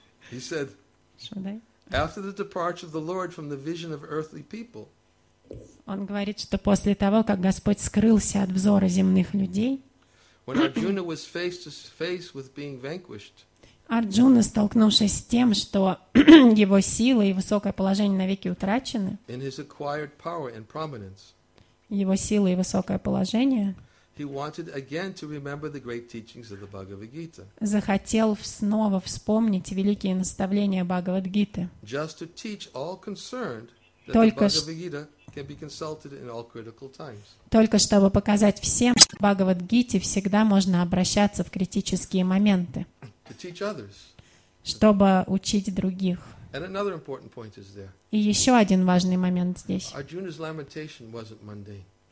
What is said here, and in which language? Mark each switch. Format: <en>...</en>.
<en>He said, after the departure of the Lord from the vision of earthly people.</en> <ru>Он говорит, что после того, как Господь скрылся от взора земных людей,</ru> <en>when Arjuna was face to face with being vanquished.</en> <ru>Арджуна, столкнувшись с тем, что его сила и высокое положение навеки утрачены,</ru> <en>in his acquired power and prominence.</en> <ru>Его сила и высокое положение.</ru> <en>He wanted again to remember the great teachings of the Bhagavad Gita.</en> <ru>Захотел снова вспомнить великие наставления Бхагавад-гиты.</ru> <en>Just to teach all concerned that</en> <ru>только</ru> <en>the Bhagavad Gita can be consulted in all critical times.</en> <ru>Только чтобы показать всем, что к Бхагавад-гите всегда можно обращаться в критические моменты.</ru> <en>To teach others.</en> <ru>Чтобы учить других.</ru> <en>And another important point is there.</en> <ru>И еще один важный момент здесь.</ru> <en>Arjuna's lamentation wasn't mundane.</en>